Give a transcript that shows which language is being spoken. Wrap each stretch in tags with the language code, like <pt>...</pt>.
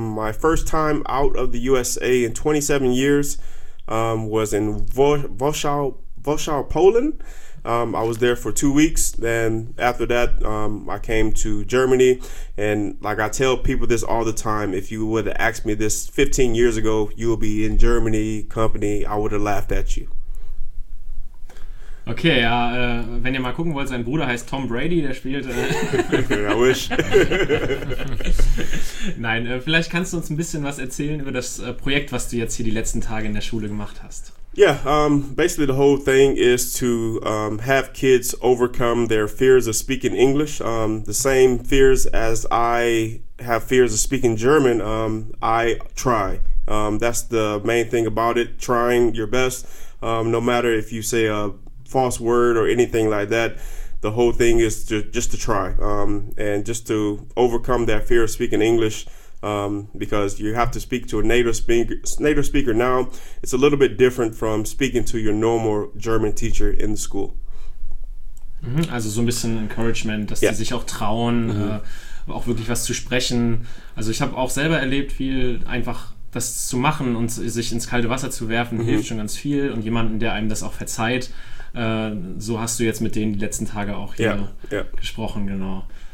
<en>My first time out of the USA in 27 years, was in Warsaw, Poland. I was there for 2 weeks. Then after that, I came to Germany. And like I tell people this all the time, if you would have asked me this 15 years ago, you will be in Germany company, I would have laughed at you.</en> <de>Okay, ja, wenn ihr mal gucken wollt, sein Bruder heißt Tom Brady, der spielt.</de> <en>I wish.</en> <de>Nein, vielleicht kannst du uns ein bisschen was erzählen über das Projekt, was du jetzt hier die letzten Tage in der Schule gemacht hast.</de> <en>Yeah, basically the whole thing is to have kids overcome their fears of speaking English. The same fears as I have fears of speaking German, I try. That's the main thing about it, trying your best. No matter if you say a false word or anything like that, the whole thing is just to try and just to overcome that fear of speaking English, because you have to speak to a native speaker. Now it's a little bit different from speaking to your normal German teacher in the school.</en> <de>Also so ein bisschen Encouragement, dass sie sich auch trauen, auch wirklich was zu sprechen. Also ich habe auch selber erlebt, viel einfach das zu machen und sich ins kalte Wasser zu werfen hilft schon ganz viel, und jemanden, der einem das auch verzeiht. So hast du jetzt mit denen die letzten Tage auch hier gesprochen, genau.</de>